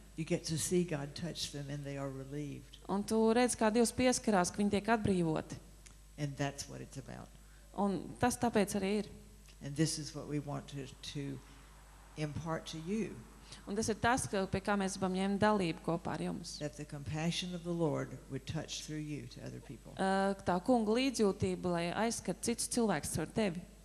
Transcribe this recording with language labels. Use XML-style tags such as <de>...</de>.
<en>You get to see God touch them and they are relieved.</en> <lv>Un tu redz, kā Dievs pieskarās, ka viņi tiek atbrīvoti.</lv> <en>And that's what it's about.</en> <lv>Un tas tāpēc arī ir.</lv> <en>And this is what we want to impart to you.</en> <lv>Un tas ir tas, pie kā mēs gribam ņemt dalību kopā ar jums.</lv> <en>That the compassion of the Lord would touch through you to other people.</en> <lv>Tā Kunga līdzjūtība, lai aizskat cits cilvēks ar tevi.</lv>